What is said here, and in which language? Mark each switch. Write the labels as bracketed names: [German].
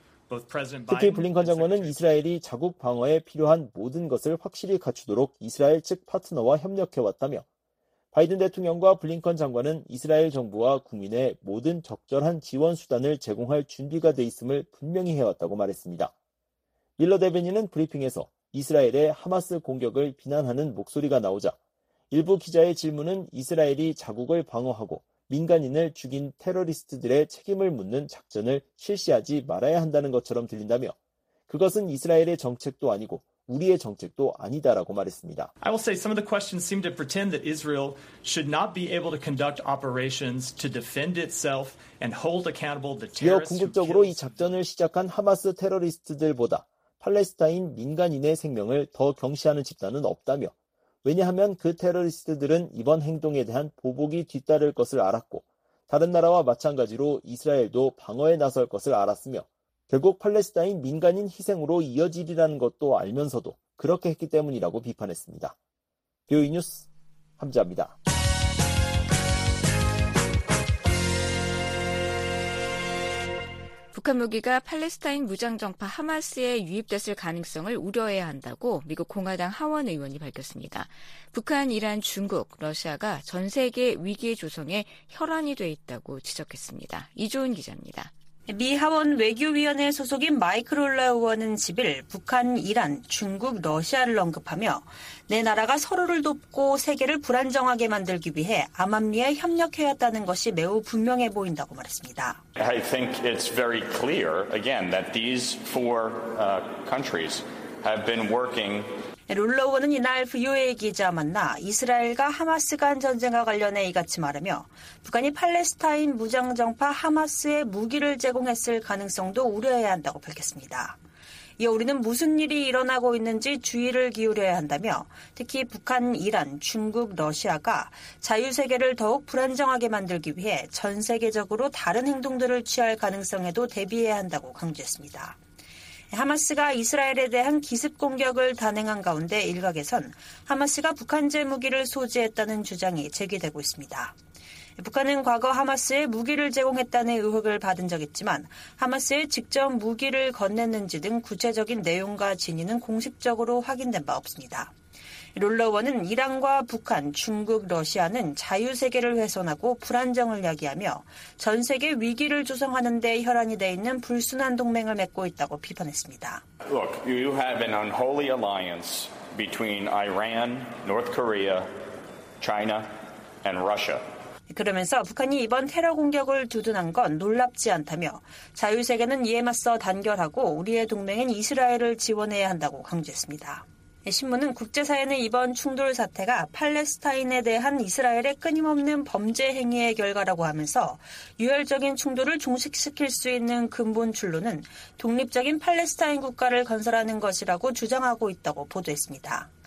[English] Both President Biden [Korean] 특히 블링컨 장관은 이스라엘이 자국 방어에 필요한 모든 것을 확실히 갖추도록 이스라엘 측 파트너와 협력해 왔다며 바이든 대통령과 블링컨 장관은 이스라엘 정부와 국민의 모든 적절한 지원 수단을 제공할 준비가 돼 있음을 분명히 해왔다고 말했습니다. 밀러 대변인은 브리핑에서 이스라엘의 하마스 공격을 비난하는 목소리가 나오자 일부 기자의 질문은 이스라엘이 자국을 방어하고 민간인을 죽인 테러리스트들의 책임을 묻는 작전을 실시하지 말아야 한다는 것처럼 들린다며 그것은 이스라엘의 정책도 아니고 우리의 정책도 아니다라고 말했습니다. [English] I will say some of the questions seem to pretend that Israel should not be able to conduct operations to defend itself and hold accountable the terrorists. [Korean] 이어 궁극적으로 이 작전을 시작한 하마스 테러리스트들보다 팔레스타인 민간인의 생명을 더 경시하는 집단은 없다며 왜냐하면 그 테러리스트들은 이번 행동에 대한 보복이 뒤따를 것을 알았고 다른 나라와 마찬가지로 이스라엘도 방어에 나설 것을 알았으며 결국 팔레스타인 민간인 희생으로 이어지리라는 것도 알면서도 그렇게 했기 때문이라고 비판했습니다. 뷰이 뉴스 함지아입니다. 북한 무기가 팔레스타인 무장정파 하마스에 유입됐을 가능성을 우려해야 한다고 미국 공화당 하원 의원이 밝혔습니다. 북한, 이란, 중국, 러시아가 전 세계 위기 조성에 혈안이 돼 있다고 지적했습니다. 이조은 기자입니다. 미 하원 외교위원회 소속인 마이크 롤러 의원은 10일 북한, 이란, 중국, 러시아를 언급하며 내 나라가 서로를 돕고 세계를 불안정하게 만들기 위해 암암리에 협력해왔다는 것이 매우 분명해 보인다고 말했습니다. [English] I think it's very clear again that these four countries have been working. [Korean] 롤러 의원은 이날 VOA 기자와 만나 이스라엘과 하마스 간 전쟁과 관련해 이같이 말하며 북한이 팔레스타인 무장정파 하마스에 무기를 제공했을 가능성도 우려해야 한다고 밝혔습니다. 이어 우리는 무슨 일이 일어나고 있는지 주의를 기울여야 한다며 특히 북한, 이란, 중국, 러시아가 자유세계를 더욱 불안정하게 만들기 위해 전 세계적으로 다른 행동들을 취할 가능성에도 대비해야 한다고 강조했습니다. 하마스가 이스라엘에 대한 기습 공격을 단행한 가운데 일각에선 하마스가 북한제 무기를 소지했다는 주장이 제기되고 있습니다. 북한은 과거 하마스에 무기를 제공했다는 의혹을 받은 적 있지만 하마스에 직접 무기를 건넸는지 등 구체적인 내용과 진위는 공식적으로 확인된 바 없습니다. 롤러원은 이란과 북한, 중국, 러시아는 자유세계를 훼손하고 불안정을 야기하며 전 세계 위기를 조성하는 데 혈안이 돼 있는 불순한 동맹을 맺고 있다고 비판했습니다. [English] Look, you have an unholy alliance between Iran, North Korea, China, and Russia. [Korean] 그러면서 북한이 이번 테러 공격을 두둔한 건 놀랍지 않다며 자유세계는 이에 맞서 단결하고 우리의 동맹인 이스라엘을 지원해야 한다고 강조했습니다. 신문은 국제사회는 이번 충돌 사태가 팔레스타인에 대한 이스라엘의 끊임없는 범죄 행위의 결과라고 하면서 유혈적인 충돌을 종식시킬 수 있는 근본 출로는 독립적인 팔레스타인 국가를 건설하는 것이라고 주장하고 있다고 보도했습니다.